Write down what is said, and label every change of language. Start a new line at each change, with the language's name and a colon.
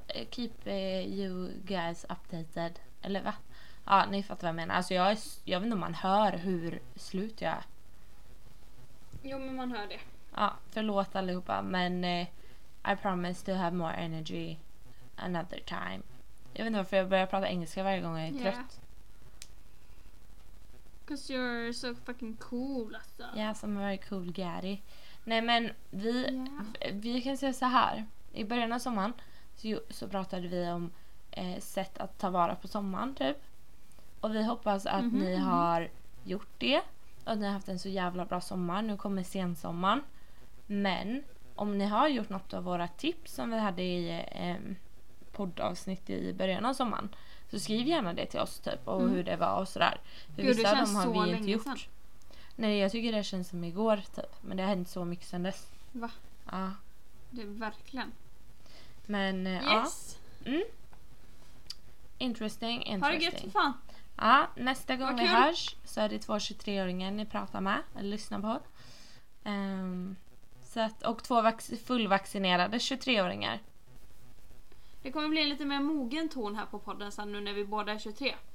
English: Keep you guys updated.
Swedish: Eller va? Ja, ni fattar vad jag menar. Alltså jag vet inte om man hör hur slut jag är. Jo, men man hör det. Ja, förlåt allihopa. Men
English: I promise to have more energy another time.
Swedish: Jag vet inte varför jag börjar prata engelska varje gång jag är trött.
English: Cause you're so fucking cool
Swedish: alltså.
English: Yes, I'm a very cool Gary.
Swedish: Nej, men vi kan säga så här. I början av sommaren så pratade vi om sätt att ta vara på sommaren typ. Och vi hoppas att ni har gjort det och att ni har haft en så jävla bra sommar. Nu kommer sensommaren. Men om ni har gjort något av våra tips som vi hade i poddavsnitt i början av sommaren, så skriv gärna det till oss typ. Och hur det var och sådär. För gud, vissa av dem har vi inte gjort. Nej, jag tycker det känns som igår typ. Men det har hänt så mycket sedan dess. Va? Ja. Det är verkligen. Men
English: interesting, interesting.
Swedish: Ha det gött, fan. Ja, nästa gång vi hörs så är det 2 23-åringar ni pratar med eller lyssnar på. Så att, och 2 fullvaccinerade 23-åringar. Det kommer bli en lite mer mogen ton här på podden sen nu när vi båda är 23.